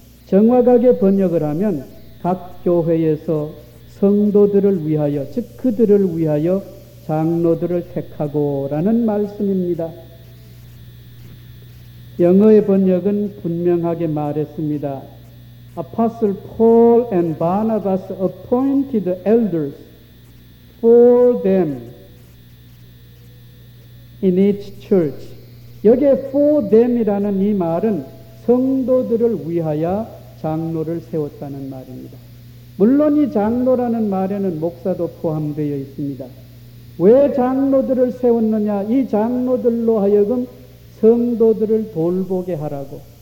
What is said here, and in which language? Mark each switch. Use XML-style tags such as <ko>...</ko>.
<ko>정확하게 번역을 하면 각 교회에서 성도들을 위하여, 즉 그들을 위하여 장로들을 택하고라는 말씀입니다. 영어의 번역은 분명하게 말했습니다.</ko> <en>Apostle Paul and Barnabas appointed elders for them in each church.</en> <ko>여기에</ko> <en>for them</en> <ko>이라는 이 말은 성도들을 위하여 장로를 세웠다는 말입니다. 물론 이 장로라는 말에는 목사도 포함되어 있습니다. 왜 장로들을 세웠느냐? 이 장로들로 하여금 성도들을 돌보게 하라고.</ko>